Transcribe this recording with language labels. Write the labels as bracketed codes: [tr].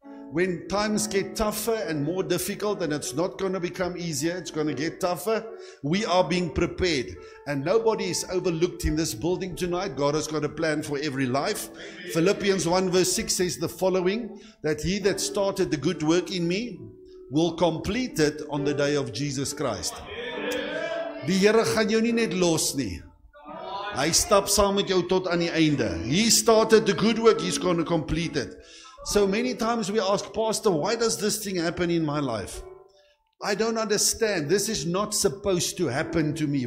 [en] When times get tougher and more difficult, and it's not going to become easier, it's going to get tougher, we are being prepared. And nobody is overlooked in this building tonight. God has got a plan for every life. Philippians 1 verse 6 says the following, that he that started the good work in me will complete it on the day of Jesus Christ. [af] Die Here gaan jou nie net los nie. Hy stap saam met jou tot aan die einde. [en] He started the good work, he's going to complete it. So many times we ask, Pastor, why does this thing happen in my life? I don't understand. This is not supposed to happen to me.